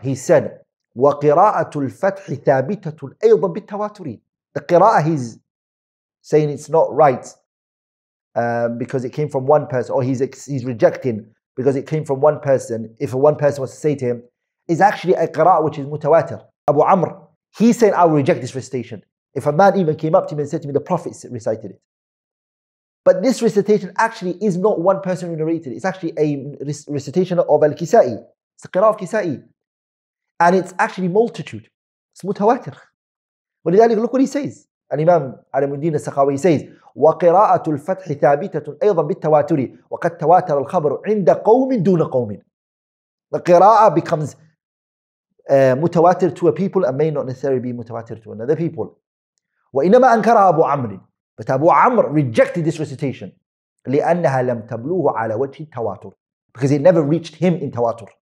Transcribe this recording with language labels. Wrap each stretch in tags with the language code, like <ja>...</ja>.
<ar>He said, وقراءة الفتح ثابتة أيضا بالتواتر.</ar> <en>The qira'ah, he's saying it's not right. Because it came from one person, or he's rejecting because it came from one person. If one person was to say to him, is actually a qira'ah which is mutawatir. Abu Amr, he said, I will reject this recitation. If a man even came up to me and said to me, the Prophet recited it. But this recitation actually is not one person who narrated it. It's actually a recitation of al-Kisa'i. It's a qira'ah of Kisa'i. And it's actually multitude. It's mutawatir. ولذلك, look what he says.</en> <ar>الإمام علم الدين السخاوي says, وقراءة الفتح ثابتة أيضا بالتواتر وقد تواتر الخبر عند قوم دون قوم.</ar> <en>The qira'ah becomes متواتر to a people and may not necessarily be متواتر to another people. وإنما أنكر أبو عمر, but Abu Amr rejected this recitation, لأنها لم تبلوه على وجه التواتر, because it never reached him in تواتر.</en>